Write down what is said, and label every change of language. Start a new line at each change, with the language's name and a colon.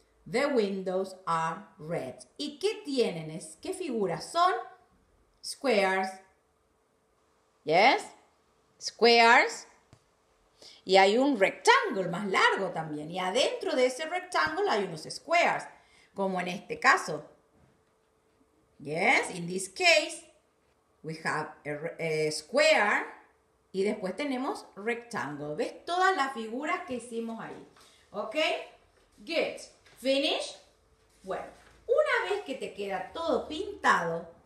English: The windows are red.
Spanish: ¿Y qué tienen? ¿Qué figuras son?
English: Squares. Yes? Squares.
Spanish: Y hay un rectángulo más largo también. Y adentro de ese rectángulo hay unos
English: squares.
Spanish: Como en este caso. Yes?
English: In this case, we have a square.
Spanish: Y después tenemos rectángulo. ¿Ves todas las figuras que hicimos ahí? ¿Ok?
English: Good. ¿Finish?
Spanish: Bueno, una vez que te queda todo pintado,